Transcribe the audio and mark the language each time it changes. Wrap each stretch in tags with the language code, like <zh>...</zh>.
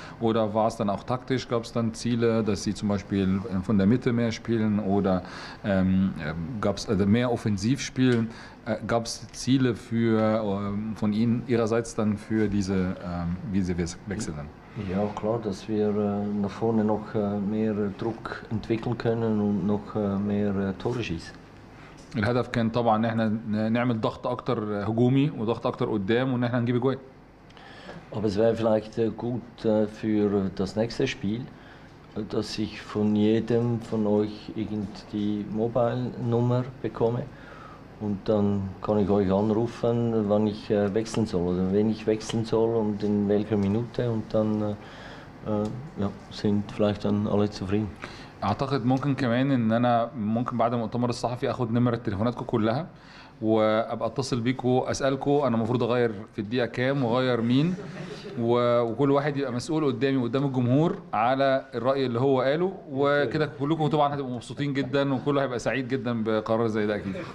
<de>Oder war es dann auch taktisch, gab es dann Ziele, dass sie zum Beispiel von der Mitte mehr spielen oder gab es also mehr offensiv spielen? Gab es Ziele für, von Ihnen ihrerseits dann für diese, wie sie wechseln dann? Ja, klar, dass wir nach vorne noch mehr Druck entwickeln können und noch mehr Tore schießen.</de> <ar>الهدف كان طبعا ان احنا نعمل ضغط اكتر هجومي وضغط اكتر قدام وان احنا نجيب جوان.</ar> <de>Aber es wäre vielleicht gut für das nächste Spiel, dass ich von jedem von euch irgendwie Mobile Nummer bekomme und dann kann ich euch anrufen, wann ich wechseln soll oder wen ich wechseln soll und in welcher Minute und dann ja, sind vielleicht dann alle zufrieden.</de> <ar>اعتقد ممكن كمان ان انا ممكن بعد المؤتمر الصحفي اخد نمر تليفوناتكم كلها وابقى اتصل بيكم اسالكم انا المفروض اغير في الدقيقه كام واغير مين، وكل واحد يبقى مسؤول قدامي وقدام الجمهور على الراي اللي هو قاله، وكده كلكم طبعا هتبقوا مبسوطين جدا وكله هيبقى سعيد جدا بقرار زي ده اكيد.</ar>